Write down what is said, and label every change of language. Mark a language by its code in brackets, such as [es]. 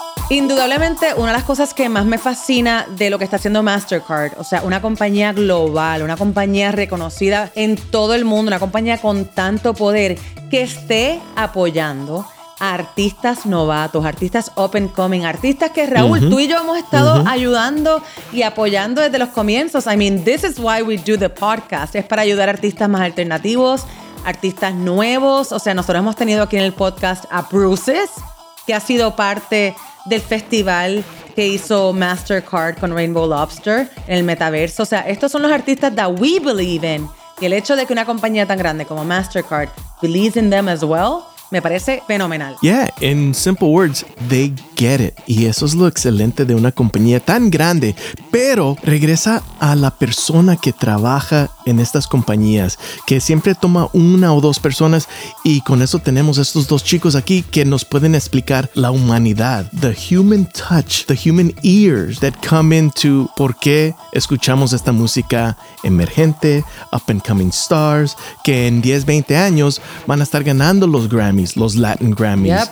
[es] Indudablemente, una de las cosas que más me fascina de lo que está haciendo Mastercard, o sea, una compañía global, una compañía reconocida en todo el mundo, una compañía con tanto poder, que esté apoyando a artistas novatos, artistas [en] up and coming, [es] artistas que Raúl, tú y yo hemos estado ayudando y apoyando desde los comienzos. [en] I mean, this is why we do the podcast. [es] Es para ayudar a artistas más alternativos, artistas nuevos. O sea, nosotros hemos tenido aquí en el podcast a Bruces, que ha sido parte del festival que hizo Mastercard con Rainbow Lobster en el metaverso. O sea, estos son los artistas [en] that we believe in. [es] Y el hecho de que una compañía tan grande como Mastercard [en] believes in them as well, [es] me parece fenomenal. [en] Yeah, in simple words, they get it. [es] Y eso es lo excelente de una compañía tan grande. Pero regresa a la persona que trabaja en estas compañías, que siempre toma una o dos personas. Y con eso tenemos estos dos chicos aquí que nos pueden explicar la humanidad. [en] The human touch, the human ears that come into [es] por qué escuchamos esta música emergente, [en] up and coming stars, [es] que en 10, 20 años van a estar ganando los Grammys, los Latin Grammys.